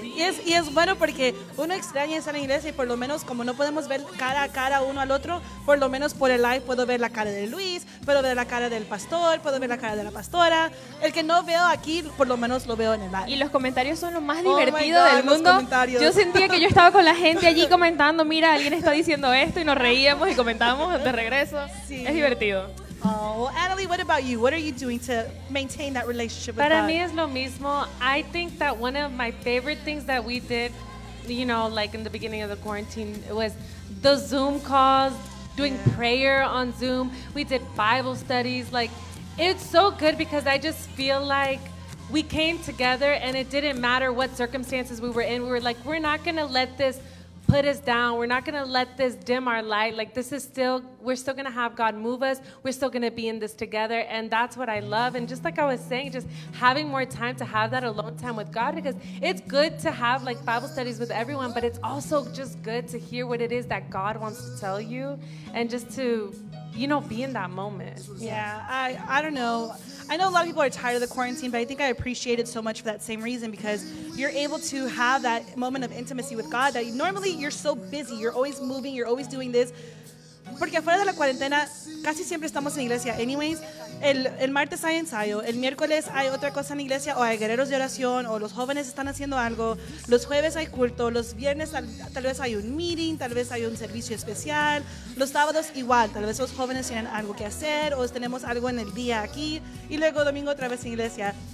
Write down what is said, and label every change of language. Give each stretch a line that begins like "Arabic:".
Spanish: Y es bueno porque uno extraña estar en iglesia y por lo menos como no podemos ver cara a cara uno al otro, por lo menos por el live puedo ver la cara de Luis, puedo ver la cara del pastor, puedo ver la cara de la pastora. El que no veo aquí, por lo menos lo veo en el live. Y los comentarios son lo más divertido del mundo. Los comentarios. Yo sentía que yo estaba con la gente allí comentando, mira, alguien está diciendo esto, y nos reíamos y comentábamos de regreso. Sí. Es divertido.
English: Oh, Annalie, what about you? What are you doing to maintain that relationship with God?
Spanish: Para mí es lo mismo.
English: I think that one of my favorite things that we did, you know, like in the beginning of the quarantine, it was the Zoom calls, doing prayer on Zoom. We did Bible studies. Like, it's so good because I just feel like we came together and it didn't matter what circumstances we were in. We were like, we're not going to let this put us down. We're not going to let this dim our light. Like, this is still, we're still going to have God move us. We're still going to be in this together. And that's what I love. And just like I was saying, just having more time to have that alone time with God, because it's good to have like Bible studies with everyone, but it's also just good to hear what it is that God wants to tell you and just to, you know, be in that moment. Yeah, I don't know. I know a lot of people are tired of the quarantine, but I think I appreciate it so much for that same reason, because you're able to have that moment of intimacy with God that normally you're so busy. You're always moving. You're always doing this.
Spanish: porque afuera de la cuarentena casi siempre estamos en iglesia. Anyways, el martes hay ensayo, el miércoles hay otra cosa en iglesia, o hay guerreros de oración, o los jóvenes están haciendo algo, los jueves hay culto, los viernes tal vez hay un meeting, tal vez hay un servicio especial, los sábados igual, tal vez los jóvenes tienen algo que hacer, o tenemos algo en el día aquí, y luego domingo otra vez en iglesia.